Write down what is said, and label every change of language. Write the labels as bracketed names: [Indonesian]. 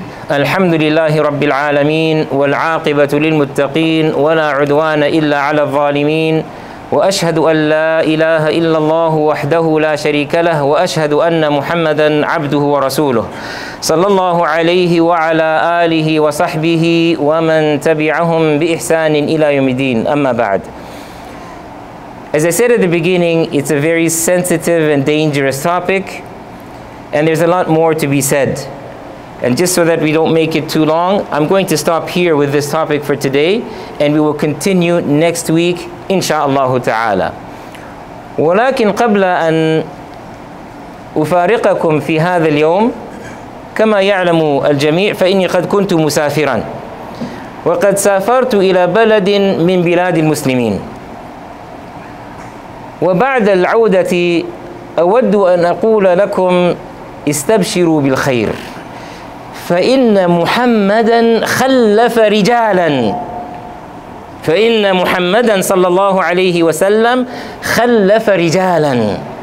[Arabic] الحمد لله رب العالمين والعاقبة للمتقين ولا عدوان إلا على الظالمين وأشهد أن لا إله إلا الله وحده لا شريك له وأشهد أن محمدا عبده ورسوله صلى الله عليه وعلى آله وصحبه ومن تبعهم بإحسان إلى يوم الدين أما بعد. [English] As I said at the beginning, it's a very sensitive and dangerous topic, and there's a lot more to be said. And just so that we don't make it too long, I'm going to stop here with this topic for today, and we will continue next week, insha'Allah ta'ala. [Arabic] ولكن قبل أن أفارقكم في هذا اليوم, كما يعلم الجميع, فإني قد كنت مسافرا, وقد سافرت إلى بلد من بلاد المسلمين. وبعد العودة أود أن أقول لكم استبشروا بالخير فإن محمدا خلف رجالا فإن محمدا صلى الله عليه وسلم خلف رجالا